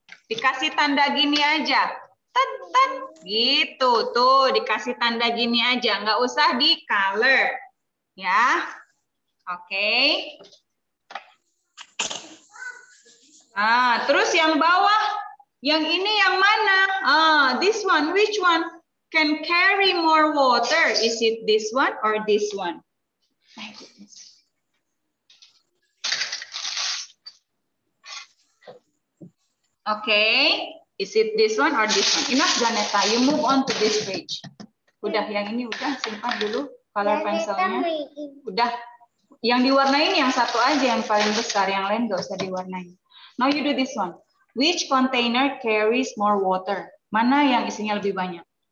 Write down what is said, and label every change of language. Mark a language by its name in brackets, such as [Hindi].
[Indonesian] Dikasih tanda gini aja. Tet-tet. Gitu, tuh. Dikasih tanda gini aja. Nggak usah di color. Ya. Oke. Okay. Ah, terus yang bawah, yang ini yang mana? [English] Ah, this one, which one can carry more water? Is it this one or this one? Okay, is it this one or this one? Enough, Janeta, you move on to this page. [Indonesian] Udah, yang ini udah, simpan dulu color pencilnya. Udah, yang diwarnain yang satu aja, yang paling besar, yang lain gak usah diwarnain. [English] Now you do this one. Which container carries more water? [Indonesian] Mana yang isinya lebih banyak?